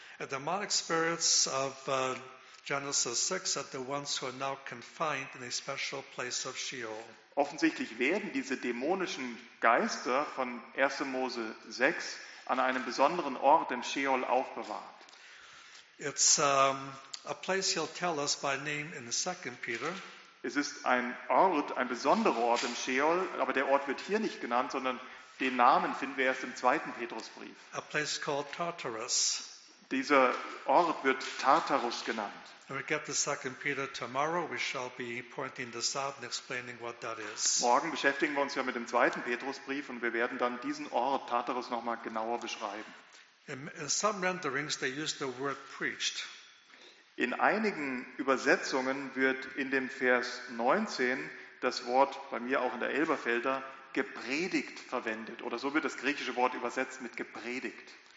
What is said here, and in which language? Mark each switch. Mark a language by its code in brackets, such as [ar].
[en] The demonic spirits of Genesis 6 are the ones who are now confined in a special place of Sheol. [de] Offensichtlich werden diese dämonischen Geister von 1. Mose 6 an einem besonderen Ort im Sheol aufbewahrt. [en] It's a place he'll tell us by name in 2 Peter. [de] Es ist ein Ort, ein besonderer Ort im Sheol, aber der Ort wird hier nicht genannt, sondern den Namen finden wir erst im 2. Petrusbrief. [en] A place called Tartarus. [de] Dieser Ort wird Tartarus genannt. [en] We get to 2 Peter tomorrow. We shall be pointing this out and explaining what that is. [de] Morgen beschäftigen wir uns ja mit dem 2. Petrusbrief und wir werden dann diesen Ort Tartarus noch mal genauer beschreiben. [en] In some renderings they use the word preached. [de] In einigen Übersetzungen wird in dem Vers 19 das Wort, bei mir auch in der Elberfelder, gepredigt verwendet. Oder so wird das griechische Wort übersetzt mit gepredigt.